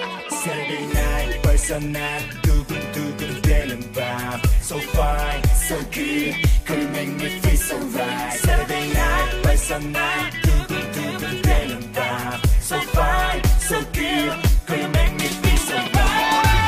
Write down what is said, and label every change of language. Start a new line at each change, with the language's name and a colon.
English: Saturday night,
Korean: 벌써 난 두근두근 되는 밤.
English: So fine, so good, come make me feel so right. Saturday night,
Korean: 벌써 난 두근두근 되는 밤.
English: So fine, so good, come make me feel so right.